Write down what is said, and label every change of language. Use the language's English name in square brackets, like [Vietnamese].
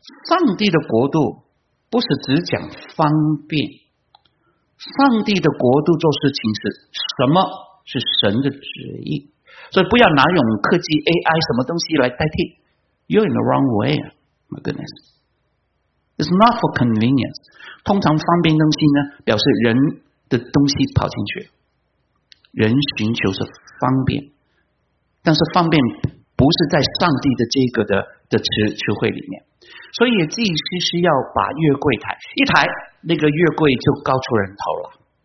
[Chinese] 上帝的国度不是只讲方便，上帝的国度做事情是什么？是神的旨意。所以不要拿用科技 AI 什么东西来代替。 [English] You're in the wrong way, my goodness. It's not for convenience. [Chinese] 通常方便东西呢，表示人的东西跑进去，人寻求是方便，但是方便不是在上帝的这个的词汇里面。所以祭司是要把月柜抬一抬，那个月柜就高出人头了。